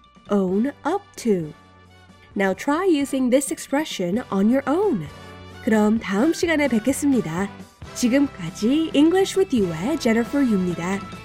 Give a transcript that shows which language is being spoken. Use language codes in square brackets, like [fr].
[en] Own up to. Now try using this expression on your own. [ko] 그럼 다음 시간에 뵙겠습니다. 지금까지 English with You의 Jennifer Yu입니다.